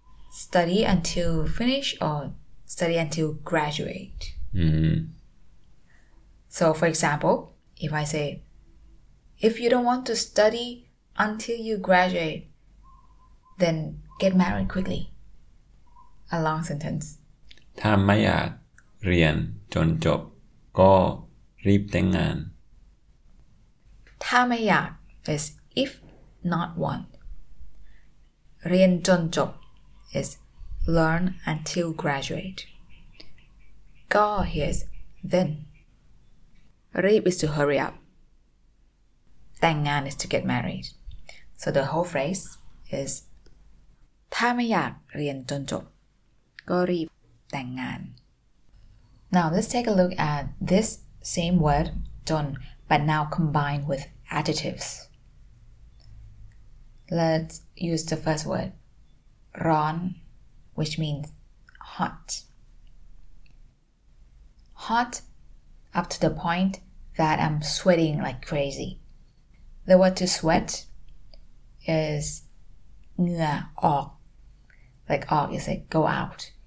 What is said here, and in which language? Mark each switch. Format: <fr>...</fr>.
<en>Study until finish or study until graduate. Mm-hmm. So, for example, if I say, if you don't want to study until you graduate, then get married quickly. A long sentence.</en> <th>ถ้าไม่อยากเรียนจนจบก็รีบแต่งงาน ถ้าไม่อยาก</th> <en>is if not want.</en> <th>เรียนจนจบ</th> <en>is learn until graduate.</en> <th>ก็</th> <en>is then.</en> <th>รีบ</th> <en>is to hurry up.</en> <th>แต่งงาน</th> <en>is to get married. So the whole phrase is</en> <th>ถ้าไม่อยากเรียนจนจบก็รีบแต่งงาน</th> <en>Now let's take a look at this same word จน but now combined with adjectives. Let's use the first word</en> <th>ร้อน</th> <en>which means hot. Hot up to the point that I'm sweating like crazy. The word to sweat is</en> <th>เหงื่อ ออก</th> <en>like</en> <th>ออก</th> <en>is like go out.</en>